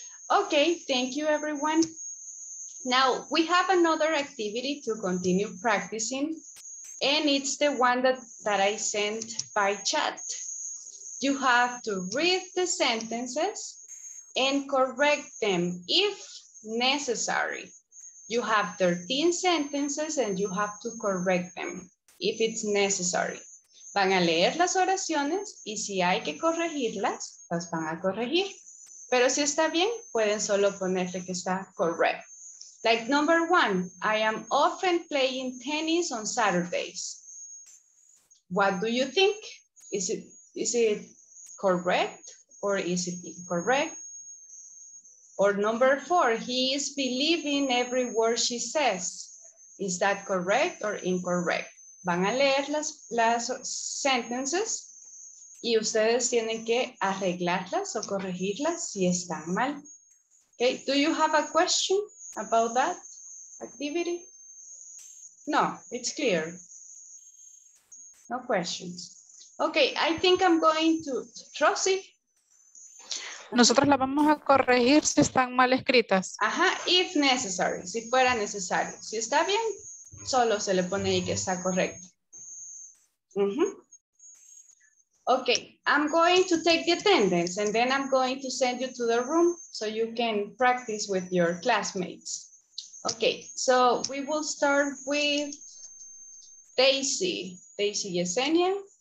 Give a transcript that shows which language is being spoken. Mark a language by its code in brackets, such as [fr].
[en] Okay, thank you everyone. Now we have another activity to continue practicing, and it's the one that I sent by chat. You have to read the sentences and correct them if necessary. You have 13 sentences and you have to correct them if it's necessary. [es] Van a leer las oraciones y si hay que corregirlas, las van a corregir. Pero si está bien, pueden solo ponerle que está correct. [en] Like number one, I am often playing tennis on Saturdays. What do you think? Is it correct or is it incorrect? Or number four, he is believing every word she says. Is that correct or incorrect? [es] Van a leer las sentences y ustedes tienen que arreglarlas o corregirlas si están mal. [en] Okay, do you have a question about that activity? No, it's clear. No questions. Okay, I think I'm going to Rosy. [es] Nosotros la vamos a corregir si están mal escritas. Ajá, [en] if necessary, [es] si fuera necesario. Si está bien, solo se le pone ahí que está correcto. [en] Okay, I'm going to take the attendance and then I'm going to send you to the room so you can practice with your classmates. Okay, so we will start with Daisy Yesenia.